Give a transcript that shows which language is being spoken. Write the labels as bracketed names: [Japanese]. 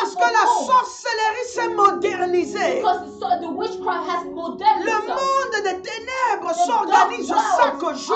[French] Parce que la sorcellerie s'est modernisée. [English] Because the witchcraft has modernized. [French] Le monde des ténèbres s'organise chaque jour.